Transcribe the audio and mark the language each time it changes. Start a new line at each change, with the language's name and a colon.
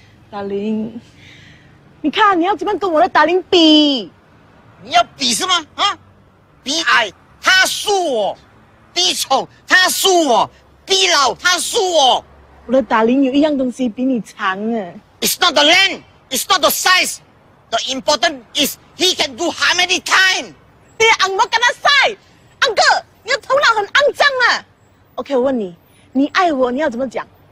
Chinese: 达林，你看你要怎么跟我的达林比？你要比是吗？啊，比矮。他输我，低丑他输我，低老他输我。我的达林有一样东西比你长呢。
English: It's not the length, it's not the size. The important is he can do how many times.
Chinese: 你按摩跟他晒，安哥，你的头脑很肮脏啊。 OK， 我问你，你爱我，你要怎么讲？